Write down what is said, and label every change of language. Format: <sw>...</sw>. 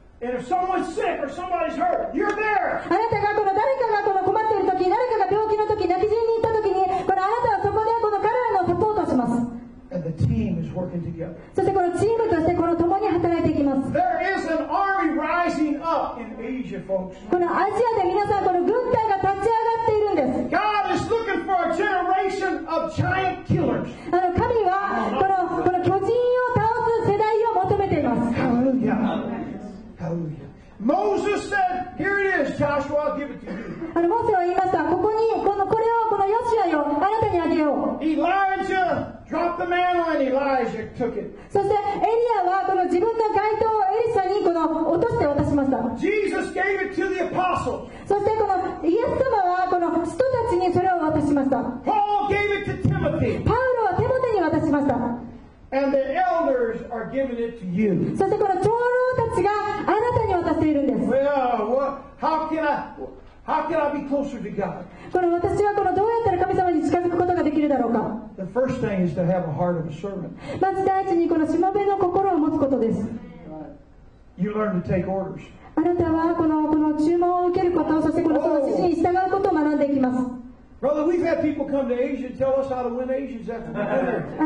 <en>And if someone's sick or somebody's hurt, you're there.</en> <ja>あなたがこの誰かがこの困っている時、誰かが病気の時、Nakajin に行った時に、このあなたはそこでこの彼らのサポートをします。</ja> <en>And the team is working together.</en> <ja>そしてこのチームとしてこの共に働いていきます。</ja> <en>There is an army rising up in Asia, folks.</en> <ja>このアジアで皆さんこの軍隊が立ち上がっているんです。</ja> <en>God is looking for a generation of giant killers.</en> <ja>あの、神はこの巨人を倒す世代を求めています。</ja> <en>Hallelujah. Hallelujah. Moses said, here it is, Joshua, I'll give it to you.</en> <ja>モーセは言いました。これをこのヨシュアよ、あなたにあげよう。</ja> <en>Elijah dropped the mantle and Elijah took it.</en> <ja>そしてエリアはこの自分の街灯をエリサにこの落として渡しました。</ja> <en>Jesus gave it to the apostles.</en> <ja>そしてこのイエス様はこの使徒たちにそれを渡しました。</ja> <en>Paul gave it to Timothy.</en> <ja>パウロはテモテに渡しました。</ja> <en>And the elders are giving it to you.</en> <ja>そしてこの長老たちがあなたに渡しているんです。</ja> <en>Well, how can I be closer to God?</en> <ja>この私はこのどうやったら神様に近づくことができるだろうか。</ja> <en>The first thing is to have a heart of a servant.</en> <ja>まず第一にこのしもべの心を持つことです。</ja> <en>You learn to take orders.</en> <ja>あなたはこの注文を受けること、そしてこの指示に従うことを学んでいきます。</ja> <en>Brother, we've had people come to Asia and tell us how to win Asians after the dinner.</en>